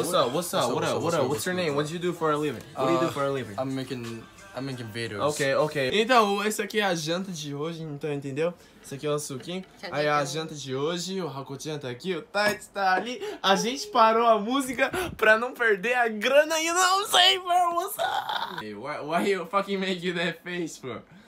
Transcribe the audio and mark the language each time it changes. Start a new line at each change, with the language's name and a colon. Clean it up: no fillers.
English: What's your name? What did you do for a living? I'm making videos. Okay.
Portuguese: Então, esse aqui é a janta de hoje, então, entendeu? Esse aqui é o suquinho. Aí, a janta de hoje, o Hakotian tá aqui, o Tait tá ali. A gente parou a música pra não perder a grana e não sei, bro.
English: What's up? Hey, why you fucking making that face, bro?